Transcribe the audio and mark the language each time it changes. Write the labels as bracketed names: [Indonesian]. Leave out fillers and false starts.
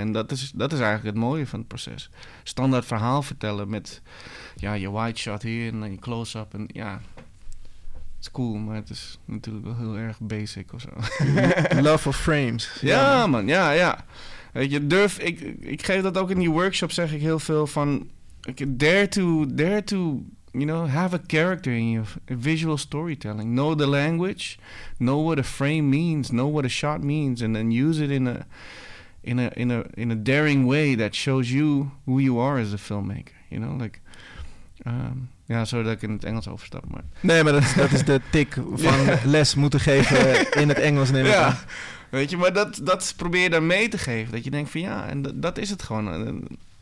[Dutch] En dat is eigenlijk het mooie van het proces. Standaard verhaal vertellen met je wide shot hier en dan je close-up. En ja, het is cool, maar het is natuurlijk wel heel erg basic of zo. [English] Love of frames. [Dutch] Ja, man. Ja, ja. Weet je, ik geef dat ook in die workshop, zeg ik heel veel van, [English] dare to... You know, have a character in your visual storytelling. Know the language. Know what a frame means. Know what a shot means. And then use it in a daring way that shows you who you are as a filmmaker. You know, like... [Dutch] sorry dat ik in het Engels overstap, maar... Nee, maar dat is de tik van les moeten geven in het Engels. Neem ik aan. Weet je, maar dat probeer je dan mee te geven. Dat je denkt van ja, en dat is het gewoon.